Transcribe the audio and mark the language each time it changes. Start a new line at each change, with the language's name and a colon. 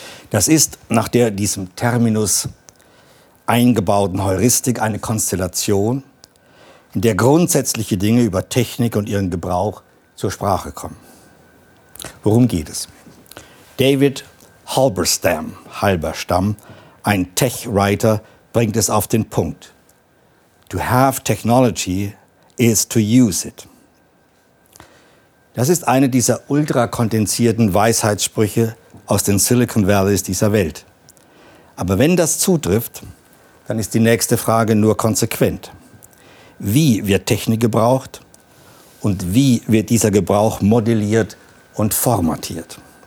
German: Das ist nach der diesem Terminus eingebauten Heuristik eine Konstellation, in der grundsätzliche Dinge über Technik und ihren Gebrauch zur Sprache kommen. Worum geht es? David Halberstam, Halberstam, ein Tech-Writer, bringt es auf den Punkt.
English: To have technology is to use it.
German: Das ist eine dieser ultrakondensierten Weisheitssprüche aus den Silicon Valleys dieser Welt. Aber wenn das zutrifft, dann ist die nächste Frage nur konsequent. Wie wird Technik gebraucht und wie wird dieser Gebrauch modelliert und formatiert?